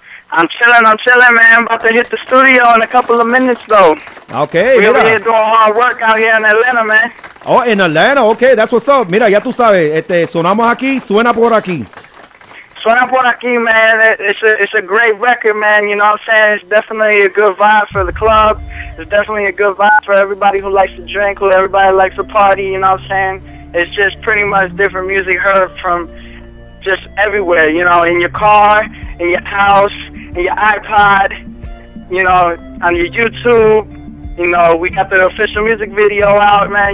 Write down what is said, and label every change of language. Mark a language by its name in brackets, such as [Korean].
[English] I'm chilling, man. I'm about to hit the studio in a couple of minutes, though. Okay, we're here doing hard work out here in Atlanta, man. Oh, in Atlanta, okay, that's what's up. [Spanish] Mira, ya tú sabes, sonamos aquí, suena por aquí. Suena por aquí, [English] man. It's a great record, man. You know what I'm saying? It's definitely a good vibe for the club. It's definitely a good vibe for everybody who likes to drink, who everybody likes to party, you know what I'm saying? It's just pretty much different music heard from just everywhere, you know, in your car, in your house, and your iPod, you know, on your YouTube, you know, we got the official music video out, man.